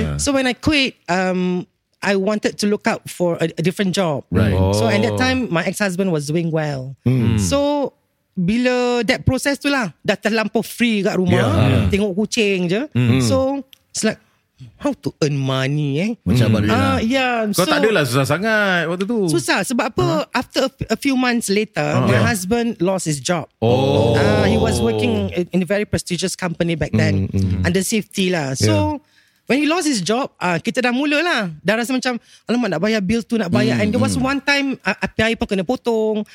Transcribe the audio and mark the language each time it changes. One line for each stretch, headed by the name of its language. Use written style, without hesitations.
English: So when I quit, I wanted to look out for a different job. Right. Oh. So at that time my ex-husband was doing well. So bila that process tu lah,
Malay: dah terlampau free kat rumah, tengok kucing je.
English: So it's like, how to earn money eh?
Malay: Macam mana lah. Kau tak adalah susah sangat waktu tu. Susah sebab apa,
English: after a few months later, my husband lost his job. He was working in a very prestigious company back then, under safety lah. So when he lost his job,
Malay: kita dah mula lah. Dah rasa macam, alamak nak bayar bill tu, nak bayar.
English: And there was one time, API
Malay: pun kena potong.